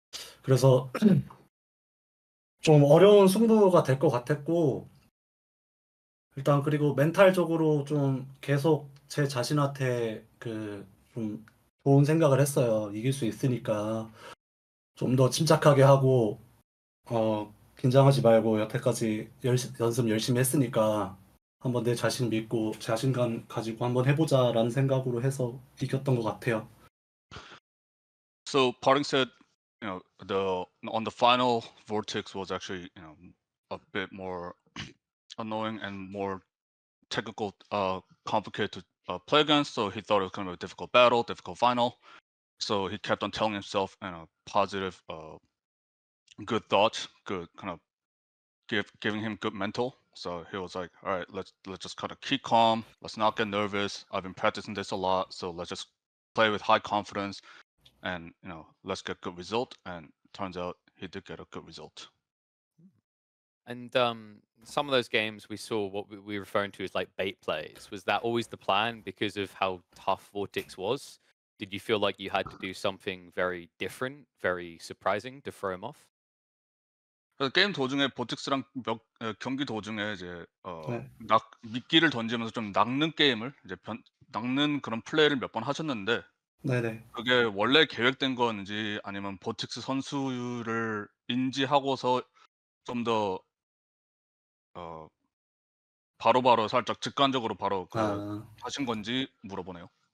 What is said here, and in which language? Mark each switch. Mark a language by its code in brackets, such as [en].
[ko] 그래서 좀 어려운 승부가 될 것 같았고, 일단 그리고 멘탈적으로 좀 계속 제 자신한테 그 좀 좋은 생각을 했어요. 이길 수 있으니까 좀 더 침착하게 하고 긴장하지 말고 여태까지 연습 열심히 했으니까 한번 내 자신 믿고 자신감 가지고 한번 해보자라는 생각으로 해서 이겼던 것 같아요. [en] So PartinG said, you know, the on the final VortiX was actually, you know, a bit more annoying and more technical, complicated to play against. So he thought it was kind of a difficult battle, difficult final. So he kept on telling himself, you know, positive, good thoughts, good kind of giving him good mental. So he was like, all right, let's just kind of keep calm. Let's not get nervous. I've been practicing this a lot, so let's just play with high confidence. And, you know, let's get a good result. And turns out he did get a good result. And some of those games we saw what we were referring to as like bait plays. Was that always the plan because of how tough VortiX was? Did you feel like you had to do something very different, very surprising to throw him off? [ko] 게임 도중에 VortiX랑 경기 도중에 이제 낙 미끼를 던지면서 좀 낚는 게임을 이제 낚는 그런 플레이를 몇 번 하셨는데. 네네. 그게 원래 계획된 건지 아니면 VortiX 선수를 인지하고서 좀 더 바로 살짝 직관적으로 바로 하신 건지 물어보네요.